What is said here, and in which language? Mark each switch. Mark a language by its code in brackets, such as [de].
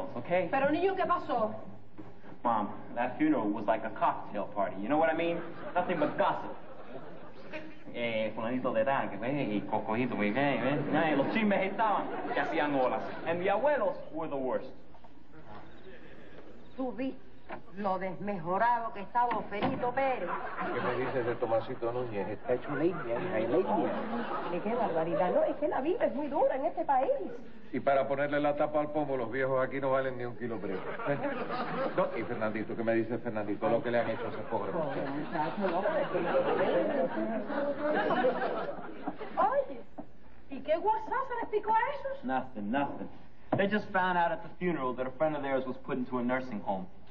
[en] Mom, that funeral was like a cocktail party. You know what I mean? Nothing but gossip. [es] Fulanito de tal, que hey, cocojito, muy bien, ¿eh? Los chismes estaban, que hacían olas. [en] And the abuelos were the worst. [es] Tú viste lo desmejorado que estaba Felito Pérez. ¿Qué me dices de Tomasito Núñez? Está hecho leña, hija, y leña. Qué barbaridad, ¿no? Es que la vida es muy dura en este país. Y para ponerle la tapa al pomo, los viejos aquí no valen ni un kilo preso. No, y Fernandito, ¿qué me dice Fernandito? Lo que le han hecho a ese pobre. Oye, ¿y qué guasas se les picó a esos? [en] Nothing. They just found out at the funeral that a friend of theirs was put into a nursing home.